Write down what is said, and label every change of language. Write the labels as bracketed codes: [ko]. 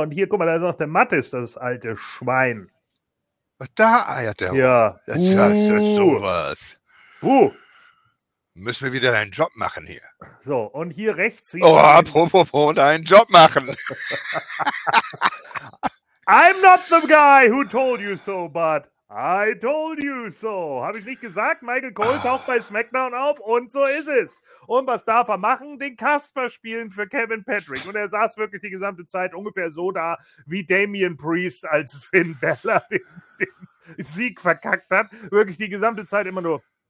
[de] Und hier, guck mal, da ist noch der Mattis, das alte Schwein. Da eiert der. Ja. Das ist sowas. Müssen wir wieder deinen Job machen hier. So, und hier rechts. Oh, apropos, deinen Job machen. [en] I'm not the guy who told you so, but I told you so. [de] Habe ich nicht gesagt? Michael Cole taucht bei SmackDown auf und so ist es. Und was darf er machen? Den Kasper spielen für Kevin Patrick. Und er saß wirklich die gesamte Zeit ungefähr so da, wie Damian Priest als Finn Balor den Sieg verkackt hat. Wirklich die gesamte Zeit immer nur.